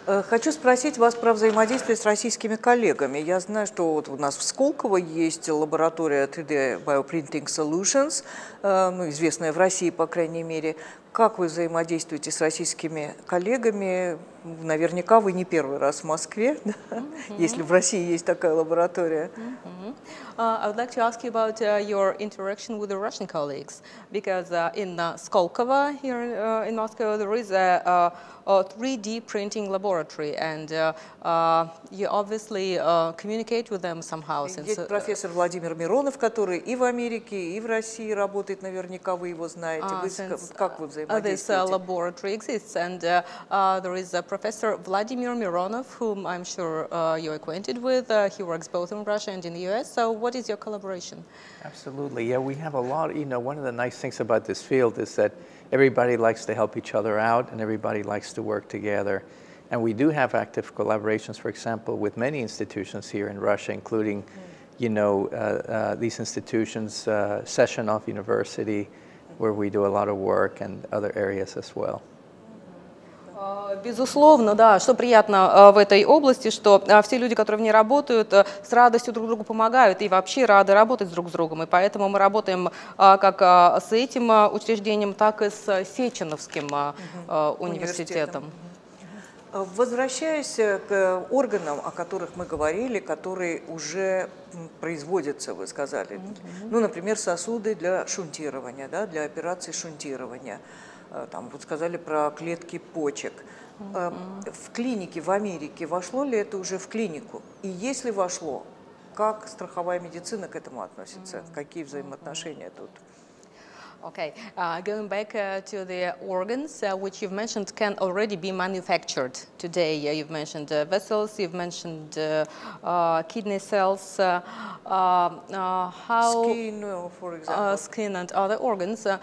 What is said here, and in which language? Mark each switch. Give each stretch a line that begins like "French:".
Russian: Хочу спросить вас про взаимодействие с российскими коллегами. Я знаю, что вот у нас в Сколково есть лаборатория 3D Bioprinting Solutions, известная в России, по крайней мере. Как вы взаимодействуете с российскими коллегами? Наверняка вы не первый раз в Москве, да? Если в России есть такая лаборатория.
English: I would like to ask you about your interaction with the Russian colleagues, because in Skolkovo, here in Moscow, there is a 3D printing laboratory, and you obviously communicate with them somehow.
Russian: Есть профессор Владимир Миронов, который и в Америке, и в России работает, наверняка вы его знаете. Как вы взаимодействуете?
English: This laboratory exists, and there is a professor Vladimir Mironov, whom I'm sure you're acquainted with. He works both in Russia and in the U.S., so what is your collaboration? Absolutely. Yeah, we have a lot. You know, one of the nice things about this field is that everybody likes to help each other out and everybody likes to work together. And we do have active collaborations, for example, with many institutions here in Russia, including, you know, these institutions, Sessionov University, where we do a lot of work, and other areas as well.
Russian: Безусловно, да, что приятно в этой области, что все люди, которые в ней работают, с радостью друг другу помогают и вообще рады работать друг с другом. И поэтому мы работаем как с этим учреждением, так и с Сеченовским университетом. Возвращаясь к органам, о которых мы говорили, которые уже производятся, вы сказали, ну, например, сосуды для шунтирования, да, для операции шунтирования. Там вот сказали про клетки почек. В клинике в Америке вошло ли это уже в клинику? И если вошло, как страховая медицина к этому относится? Какие взаимоотношения тут?
English: Okay, going back to the organs, which you've mentioned can already be manufactured today. You've mentioned vessels, you've mentioned kidney cells. How skin, for example. Skin and other organs.